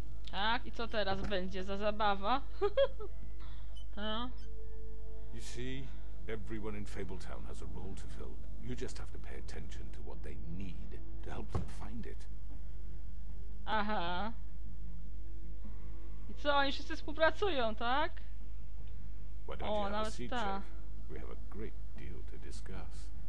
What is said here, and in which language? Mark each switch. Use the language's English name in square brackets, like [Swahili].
[Polish] Tak, i co teraz będzie za zabawa? [English] You see, everyone in Fabletown has a role to fill. You just have to pay attention to what they need to help them find it. Aha. [Polish] I co, oni wszyscy współpracują, tak? [English] Why don't o, you have a seat, ta. Sheriff? We have a great deal to discuss.